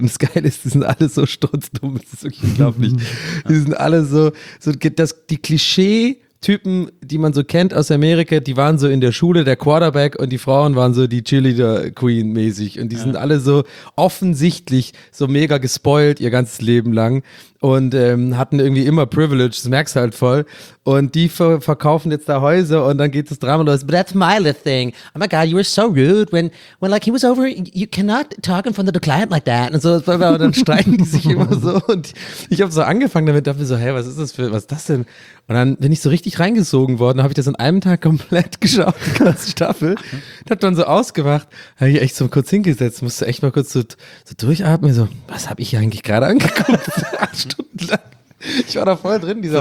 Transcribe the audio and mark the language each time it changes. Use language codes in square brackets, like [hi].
[de] Und das Geile ist, die sind alle so strunzdumm, das ist wirklich unglaublich. Die sind alle so geht das, die Klischee, Typen, die man so kennt aus Amerika, die waren so in der Schule der Quarterback und die Frauen waren so die Cheerleader-Queen mäßig und die sind alle so offensichtlich so mega gespoilt ihr ganzes Leben lang und hatten irgendwie immer Privilege, das merkst du halt voll und die verkaufen jetzt da Häuser und dann geht das Drama los. [en] But that's my little thing. Oh my God, you were so rude when like he was over, you cannot talk in front of the client like that. [de] Und so, und dann streiten die sich immer so und ich habe so angefangen damit, dachte mir so, hey, was ist das denn? Und dann bin ich so richtig reingesogen worden, habe ich das an einem Tag komplett geschaut, die ganze Staffel. Und hab dann so ausgemacht, habe ich echt so kurz hingesetzt, musste echt mal kurz so durchatmen, so, was habe ich hier eigentlich gerade angeguckt? 8 Stunden lang. Ich war da voll drin, dieser